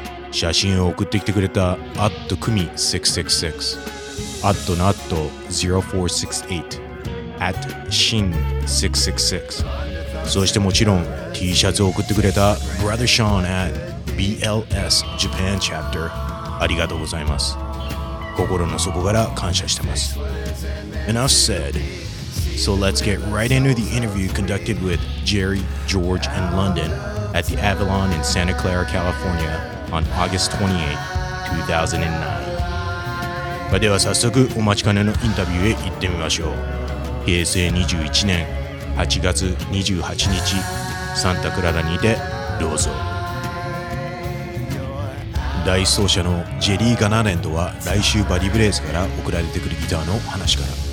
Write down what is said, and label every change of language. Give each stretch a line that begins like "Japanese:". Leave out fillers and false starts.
Japanese: 写真を送ってきてくれた、@Kumi666、@Natto0468、@Shin666、そしてもちろん T シャツを送ってくれた Brother Sean @BLS Japan Chapter、 ありがとうございます。心の底から感謝してます。
English: Enough said, so let's get right into the interview conducted with Jerry, George and London at the Avalon in Santa Clara, California on August 28, 2009。
Japanese: では早速お待ちかねのインタビューへ行ってみましょう。平成21年8月28日、サンタクララにてどうぞ。第一走者のジェリー・ガナーレンとは、来週バディ・ブレイズから送られてくるギターの話から。